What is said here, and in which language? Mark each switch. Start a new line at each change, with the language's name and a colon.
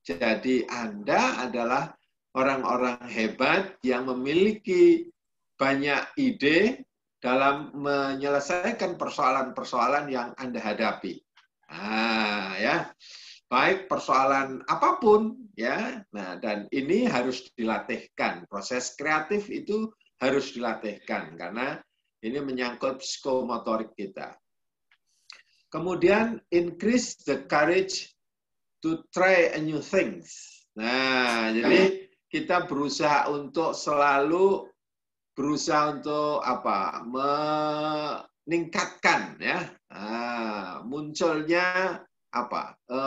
Indonesian: Jadi Anda adalah orang-orang hebat yang memiliki banyak ide dalam menyelesaikan persoalan-persoalan yang Anda hadapi. Ah ya. Baik persoalan apapun ya. Nah, dan ini harus dilatihkan. Proses kreatif itu harus dilatihkan karena ini menyangkut psikomotorik kita.
English: Kemudian increase the courage to try a new things.
Indonesian: Nah, jadi kita berusaha untuk selalu berusaha untuk apa? Meningkatkan ya. Munculnya apa?